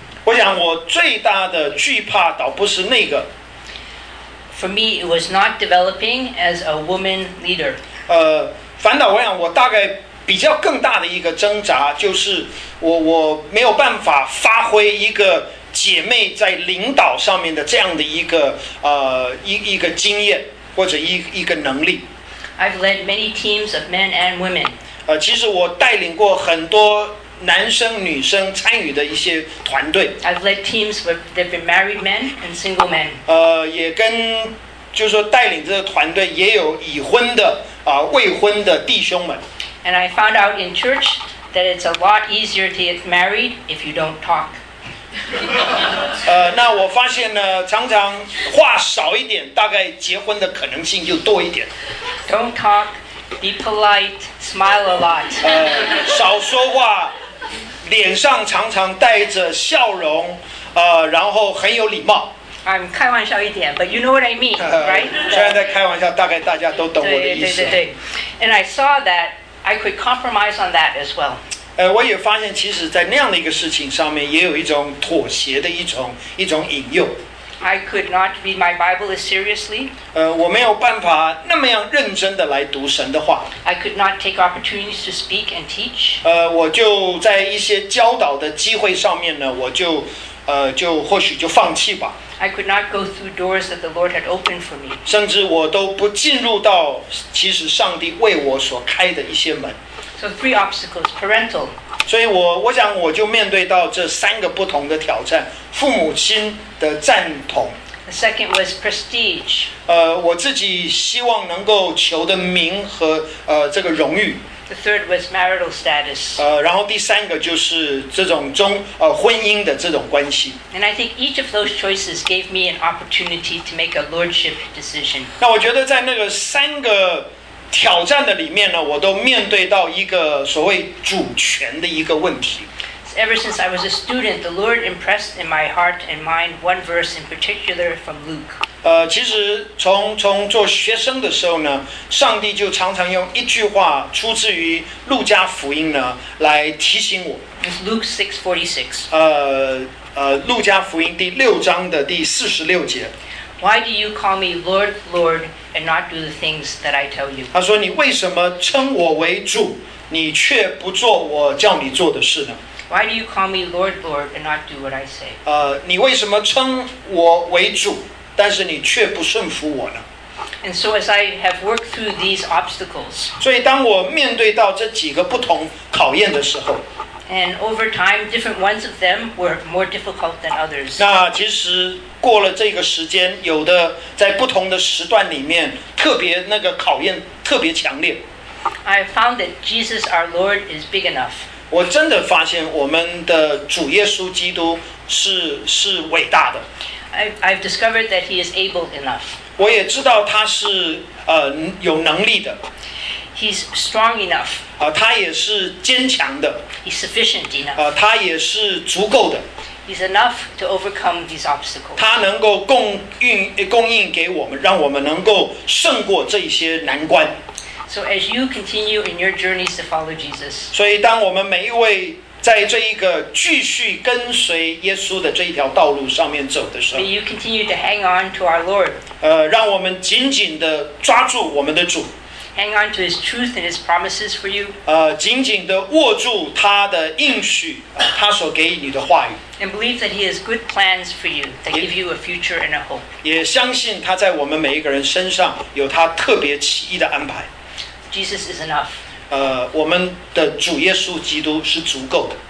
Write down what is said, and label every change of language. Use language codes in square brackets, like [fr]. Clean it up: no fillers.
[zh] 我想我最大的惧怕倒不是那个。 [en] For me, it was not developing as a woman leader. [zh] 反倒我想我大概。比较更大的一个挣扎就是我没有办法发挥一个姐妹在领导上面的这样的一个经验或者一个能力。 [en] I've led many teams of men and women. [zh] 其实我带领过很多男生女生参与的一些团队。 [en] I've led teams with different married men and single men. [zh] 也跟就是说带领这个团队也有已婚的未婚的弟兄们。 [en] And I found out in church that it's a lot easier to get married if you don't talk. [zh] 那我发现呢，常常话少一点，大概结婚的可能性就多一点。 [en] Don't talk, be polite, smile a lot. [zh] 少说话，脸上常常带着笑容，然后很有礼貌。 [en] I'm [zh] 开玩笑一点 [en] but you know what I mean, right? [zh] 虽然在开玩笑，大概大家都懂我的意思。对。 [en] And I saw that. I could compromise on that as well. [zh] 我也发现，其实，在那样的一个事情上面，也有一种妥协的一种引诱。 [en] I could not read my Bible as seriously. [zh] 我没有办法那么样认真的来读神的话。 [en] I could not take opportunities to speak and teach. [zh] 我就在一些教导的机会上面呢，我就就或许就放弃吧。 [en] I could not go through doors that the Lord had opened for me. [zh] 甚至我都不进入到其实上帝为我所开的一些门。 [en] So three obstacles, parental. [zh] 所以我想我就面对到这三个不同的挑战，父母亲的赞同。 [en] The second was prestige. [zh] 我自己希望能够求的名和这个荣誉。 [en] The third was marital status. [zh] 然后第三个就是这种中婚姻的这种关系。 [en] And I think each of those choices gave me an opportunity to make a lordship decision. [zh] 那我觉得在那个三个挑战的里面呢，我都面对到一个所谓主权的一个问题。 [en] So、ever since I was a student, the Lord impressed in my heart and mind one verse in particular from Luke. [zh] 其实从做学生的时候呢，上帝就常常用一句话出自于路加福音呢来提醒我。 [en] It's Luke 6:46. [zh] 路加福音第六章的第四十六节。 [en] Why do you call me Lord, Lord, and not do the things that I tell you? [zh] 他说：“你为什么称我为主，你却不做我叫你做的事呢？” [en] Why do you call me Lord, Lord, and not do what I say? [zh] 你为什么称我为主，但是你却不顺服我呢？ [en] And so as I have worked through these obstacles, [zh] 所以当我面对到这几个不同考验的时候。 [en] And over time, different ones of them were more difficult than others. [zh] 那其实过了这个时间，有的在不同的时段里面，特别那个考验特别强烈。 [en] I found that Jesus, our Lord, is big enough. [zh] 我真的发现我们的主耶稣基督是伟大的。 [en] I've discovered that He is able enough. [zh] 我也知道他是有能力的。 [en] He's strong enough. [zh] 他也是坚强的。 [en] He's sufficient enough. [zh] 他也是足够的。 [en] He's enough to overcome these obstacles. [zh] 他能够供应给我们，让我们能够胜过这些难关。 [en] So as you continue in your journeys to follow Jesus. [zh] 所以当我们每一位在这一个继续跟随耶稣的这一条道路上面走的时候， [en] May you continue to hang on to our Lord. [zh] 让我们紧紧地抓住我们的主。 [en] Hang on to His truth and His promises for you. [zh] 紧紧地握住他的应许，他所给你的话语。 [en] And believe that He has good plans for you that give you a future and a hope. [zh] 也相信他在我们每一个人身上有他特别奇异的安排。 [en] Jesus is enough. [zh] 我们的主耶稣基督是足够的。